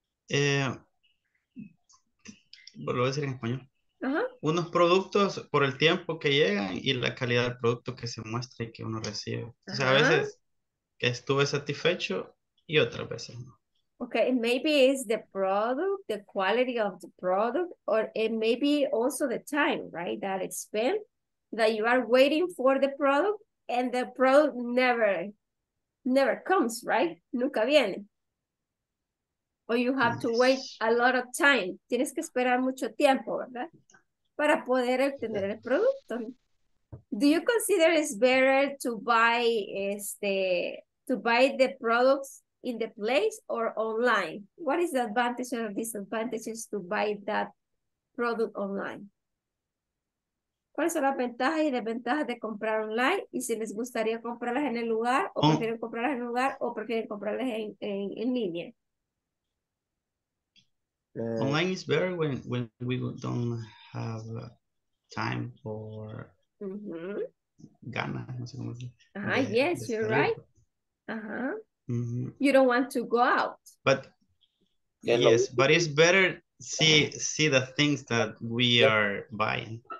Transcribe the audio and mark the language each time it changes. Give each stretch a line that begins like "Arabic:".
Spanish: Lo voy a decir en español. Uh-huh. Unos productos por el tiempo que llegan y la calidad del producto que se muestra y que uno recibe. Uh-huh. O sea, a veces estuve satisfecho y otras veces no.
English: Okay, maybe it's the product, the quality of the product, or it may be also the time, right, that it's spent, that you are waiting for the product, and the product never comes, right?
Spanish: Nunca viene.
English: Or you have to wait a lot of time.
Spanish: Tienes que esperar mucho tiempo, ¿verdad? Para poder obtener el producto.
English: Do you consider it's better to buy the products in the place or online? What is the advantage or disadvantages to buy that product online?
Spanish: ¿Cuáles son las ventajas y desventajas de comprar online? ¿Y si les gustaría comprarlas en el lugar o prefieren comprarlas en el lugar o prefieren comprarlas en línea?
English: Online is better when we don't have time or ganas.
Spanish: No sé cómo
English: yes, you're right. Uh-huh. Mm-hmm. You don't want to go out. But yes, but it's better see the things that we are buying.